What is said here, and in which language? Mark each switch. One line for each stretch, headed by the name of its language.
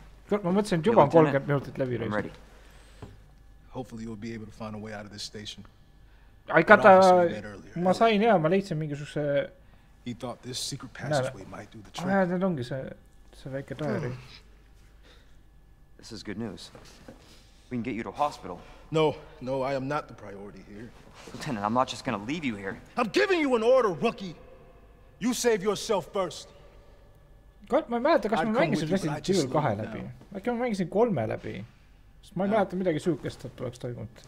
Estonian: Ma mõtlesin, et juba on 30 minutit läbi reis.
English: Hopefully you'll be able to find a way out of this station. I got a...
Estonian: Ma sain hea, ma leidsin mingisuguse...
English: He thought this secret passageway might do the trick.
Estonian: Ah, need ongi see väike diary.
English: This is good news. We can get you to hospital. No, I am not the priority here. Lieutenant, I'm not just gonna leave you here. I'm giving you an order, rookie! You save yourself first.
Estonian: God, ma ei mäleta, kas ma mängisin Resident Evil 2 läbi. Äkki ma mängisin 3 läbi. Sest ma ei mäleta midagi sugukest, et oleks toimunud.